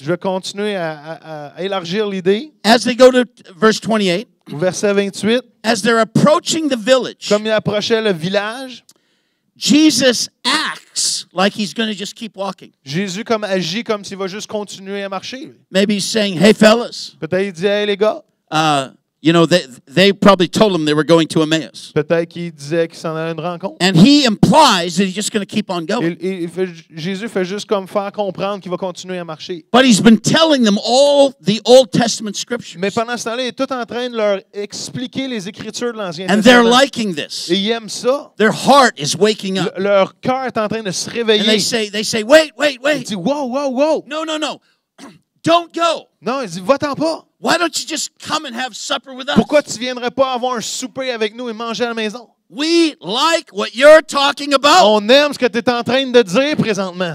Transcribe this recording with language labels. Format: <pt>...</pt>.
<fr>Je vais continuer à élargir l'idée.</fr> <en>As they go to verse 28,</en> <fr>verset 28,</fr> <en>as they're approaching the village,</en> <fr>comme ils approchaient le village,</fr> <en>Jesus acts like he's going to just keep walking.</en> <fr>Jésus comme agit comme s'il va juste continuer à marcher.</fr> <en>Maybe he's saying, hey, fellas.</en> <fr>Peut-être il dit, hey, les gars.</fr> <en>You know, they probably told him they were going to Emmaus.</en> <fr>Peut-être qu'il disait qu'il s'en allait une rencontre.</fr> <en>And he implies that he's just going to keep on going.</en> <fr>Jésus fait juste comme faire comprendre qu'il va continuer à marcher.</fr> <en>But he's been telling them all the Old Testament scriptures.</en> <fr>Mais pendant ce temps-là, il est tout en train de leur expliquer les Écritures de l'Ancien Testament.</fr> <en>And they're liking this.</en> <fr>Et ils aiment ça.</fr> <en>Their heart is waking up.</en> <fr>Leur cœur est en train de se réveiller.</fr> <en>And they say, wait.</en> <fr>Il dit, whoa.</fr> <en>No. Don't go.</en> <fr>Non, il dit, va-t'en pas.</fr> <en>Why don't you just come and have supper with us?</en> <fr>Pourquoi tu viendrais pas avoir un souper avec nous et manger à la maison?</fr> <en>We like what you're talking about.</en> <fr>On aime ce que tu es en train de dire présentement.</fr>